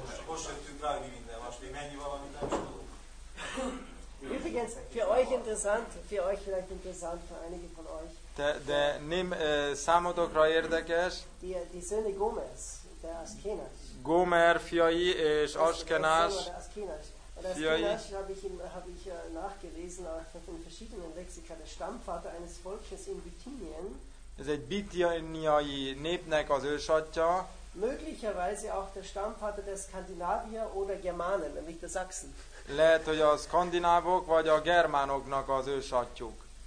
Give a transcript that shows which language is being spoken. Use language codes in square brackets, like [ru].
[hu] hogy most jöttünk rá, hogy minden most, még mennyi valamit nem tudunk. [de] Übrigens, für euch vielleicht interessant, für einige von euch. [hu] De nem számotokra érdekes. [de] Die Söhne Gomers, der Askenas. [hu] Gomer fiai és Askenas. [de] Habe ich nachgelesen von verschiedenen Lexika, der Stammvater eines Volkes in Bithynien. [hu] Ez egy bitiniai népnek az ősatja. [de] Möglicherweise auch der Stammvater der Skandinavier oder Germanen, nämlich der Sachsen. [hu] Lehet, hogy a skandinávok vagy a germánoknak az ősatjuk.